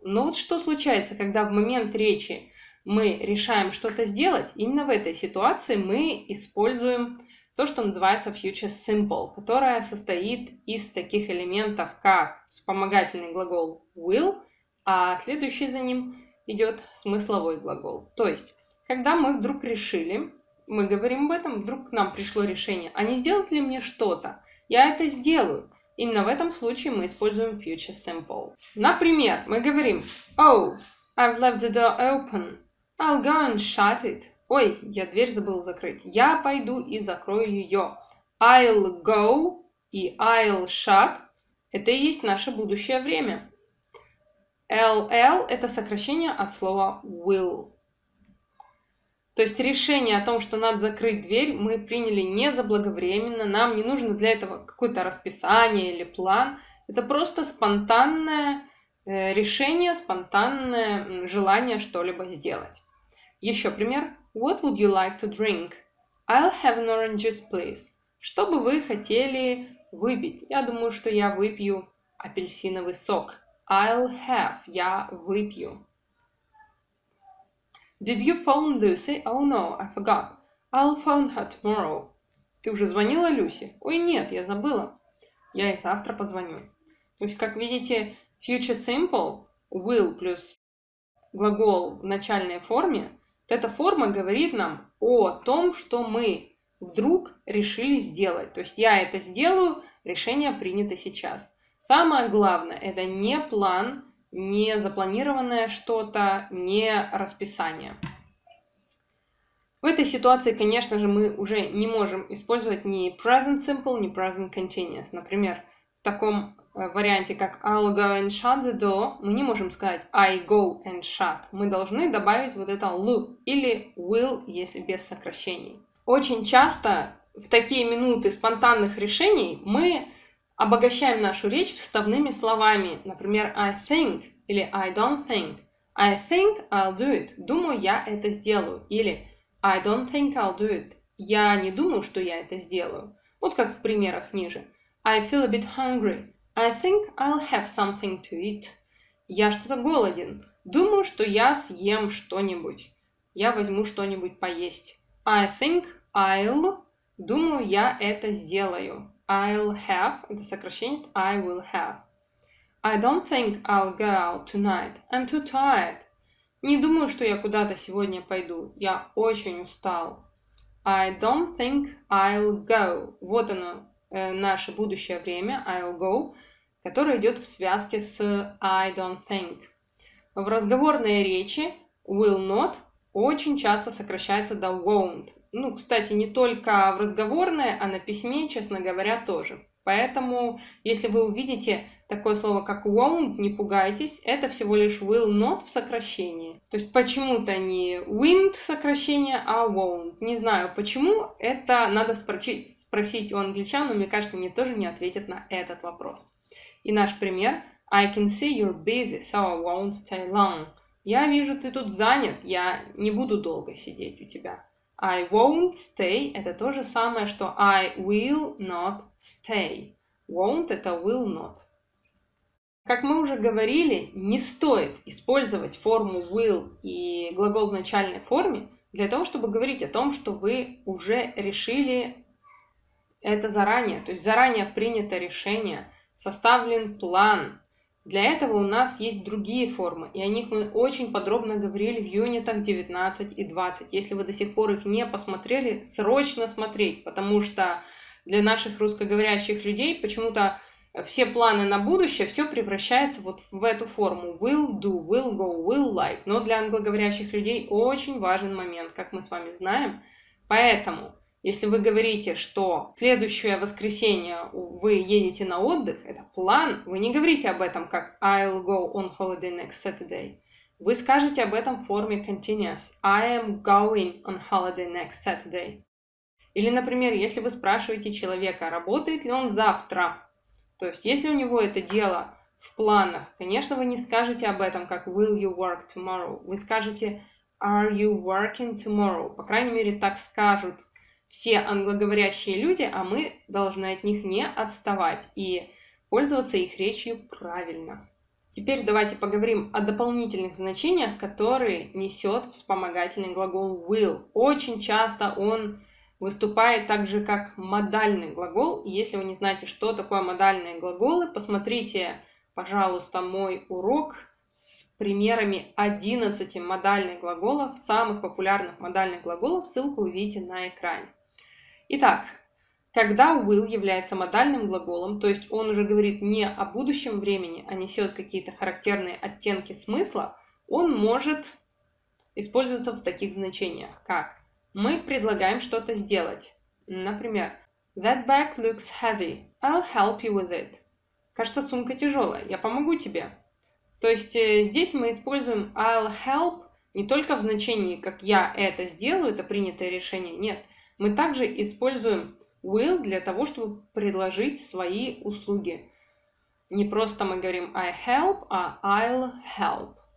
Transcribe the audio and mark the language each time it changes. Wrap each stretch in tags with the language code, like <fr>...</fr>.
<ru>Но вот что случается, когда в момент речи мы решаем что-то сделать, именно в этой ситуации мы используем то, что называется future simple, которая состоит из таких элементов, как вспомогательный глагол will, а следующий за ним идет смысловой глагол. То есть, когда мы вдруг решили, мы говорим об этом, вдруг к нам пришло решение, а не сделать ли мне что-то? Я это сделаю. Именно в этом случае мы используем future simple. Например, мы говорим:</ru> <en>Oh, I've left the door open. I'll go and shut it.</en> <ru>Ой, я дверь забыл закрыть. Я пойду и закрою ее.</ru> <en>I'll go</en> <ru>и</ru> <en>I'll shut.</en> <ru>Это и есть наше будущее время. LL это сокращение от слова will. То есть решение о том, что надо закрыть дверь, мы приняли не заблаговременно. Нам не нужно для этого какое-то расписание или план. Это просто спонтанное решение, спонтанное желание что-либо сделать. Еще пример.</ru> <en>What would you like to drink? I'll have an orange juice, please.</en> <ru>Что бы вы хотели выпить? Я думаю, что я выпью апельсиновый сок.</ru> <en>I'll have.</en> <ru>Я выпью.</ru> <en>Did you phone Lucy? Oh no, I forgot. I'll phone her tomorrow.</en> <ru>Ты уже звонила Люси? Ой, нет, я забыла. Я ей завтра позвоню. То есть, как видите, future simple, will плюс глагол в начальной форме, эта форма говорит нам о том, что мы вдруг решили сделать. То есть, я это сделаю, решение принято сейчас. Самое главное, это не план, не запланированное что-то, не расписание. В этой ситуации, конечно же, мы уже не можем использовать ни present simple, ни present continuous. Например, в таком варианте, как</ru> <en>I'll go and shut the door,</en> <ru>мы не можем сказать</ru> <en>I go and shut.</en> <ru>Мы должны добавить вот это will или will, если без сокращений. Очень часто в такие минуты спонтанных решений мы обогащаем нашу речь вставными словами, например,</ru> <en>I think</en> <ru>или</ru> <en>I don't think. I think I'll do it.</en> <ru>Думаю, я это сделаю.</ru> <en>Или I don't think I'll do it.</en> <ru>Я не думаю, что я это сделаю. Вот как в примерах ниже.</ru> <en>I feel a bit hungry. I think I'll have something to eat.</en> <ru>Я что-то голоден. Думаю, что я съем что-нибудь. Я возьму что-нибудь поесть.</ru> <en>I think I'll.</en> <ru>Думаю, я это сделаю.</ru> <en>I'll have,</en> <ru>это сокращение,</ru> <en>I will have. I don't think I'll go out tonight. I'm too tired.</en> <ru>Не думаю, что я куда-то сегодня пойду. Я очень устал.</ru> <en>I don't think I'll go.</en> <ru>Вот оно, наше будущее время,</ru> <en>I'll go,</en> <ru>которое идет в связке с</ru> <en>I don't think.</en> <ru>В разговорной речи will not очень часто сокращается до won't. Ну, кстати, не только в разговорной, а на письме, честно говоря, тоже. Поэтому, если вы увидите такое слово, как won't, не пугайтесь. Это всего лишь will not в сокращении. То есть почему-то не wind сокращение, а won't. Не знаю почему, это надо спросить у англичан, но мне кажется, они тоже не ответят на этот вопрос. И наш пример.</ru> <en>I can see you're busy, so I won't stay long.</en> <ru>Я вижу, ты тут занят, я не буду долго сидеть у тебя.</ru> <en>I won't stay –</en> <ru>это то же самое, что</ru> <en>I will not stay. Won't –</en> <ru>это</ru> <en>will not.</en> <ru>Как мы уже говорили, не стоит использовать форму will и глагол в начальной форме для того, чтобы говорить о том, что вы уже решили это заранее. То есть заранее принято решение, составлен план, Для этого у нас есть другие формы, и о них мы очень подробно говорили в юнитах 19 и 20. Если вы до сих пор их не посмотрели, срочно смотреть, потому что для наших русскоговорящих людей почему-то все планы на будущее, все превращается вот в эту форму.</ru> <en>Will do, will go, will like.</en> <ru>Но для англоговорящих людей очень важен момент, как мы с вами знаем. Поэтому, если вы говорите, что следующее воскресенье вы едете на отдых, это план, вы не говорите об этом как</ru> <en>I'll go on holiday next Saturday.</en> <ru>Вы скажете об этом в форме continuous.</ru> <en>I am going on holiday next Saturday.</en> <ru>Или, например, если вы спрашиваете человека, работает ли он завтра. То есть, если у него это дело в планах, конечно, вы не скажете об этом как</ru> <en>will you work tomorrow.</en> <ru>Вы скажете</ru> <en>are you working tomorrow.</en> <ru>По крайней мере, так скажут все англоговорящие люди, а мы должны от них не отставать и пользоваться их речью правильно. Теперь давайте поговорим о дополнительных значениях, которые несет вспомогательный глагол will. Очень часто он выступает так же, как модальный глагол. Если вы не знаете, что такое модальные глаголы, посмотрите, пожалуйста, мой урок с примерами 11 модальных глаголов, самых популярных модальных глаголов. Ссылку увидите на экране. Итак, когда will является модальным глаголом, то есть он уже говорит не о будущем времени, а несет какие-то характерные оттенки смысла, он может использоваться в таких значениях, как мы предлагаем что-то сделать. Например,</ru> <en>that bag looks heavy. I'll help you with it.</en> <ru>Кажется, сумка тяжелая. Я помогу тебе. То есть здесь мы используем</ru> <en>I'll help</en> <ru>не только в значении, как я это сделаю, это принятое решение. Нет, мы также используем will для того, чтобы предложить свои услуги. Не просто мы говорим</ru> <en>I help,</en> <ru>а</ru> <en>I'll help.</en>